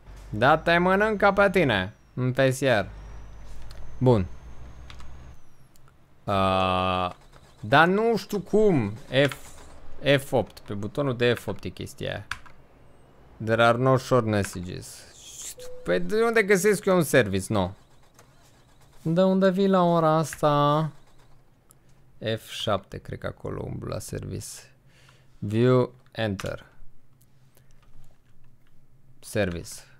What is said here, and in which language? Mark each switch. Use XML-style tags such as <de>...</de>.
<ro>Da, te mănânc ca pe tine, în PSR. Bun. Dar nu știu cum, F8, pe butonul de F8 e chestia aia.</ro> <en>There are no short messages.</en> <ro>Păi de unde găsesc eu un service, nu? De unde vii la ora asta? F7, cred că acolo umblu la service. View, enter. Service.</ro>